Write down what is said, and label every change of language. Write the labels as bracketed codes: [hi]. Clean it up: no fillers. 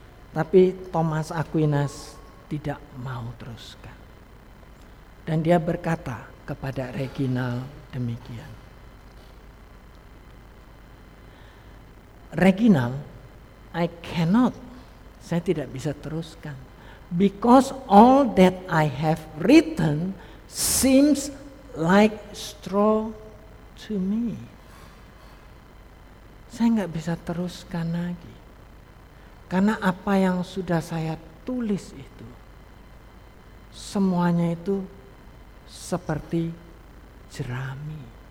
[id] Tapi Thomas Aquinas tidak mau teruskan. Dan dia berkata kepada Reginald demikian. [en] Reginald, I cannot. [id] Saya tidak bisa teruskan. [en] Because all that I have written seems like straw to me. [id] Saya enggak bisa teruskan lagi. Karena apa yang sudah saya tulis itu, semuanya itu seperti jerami.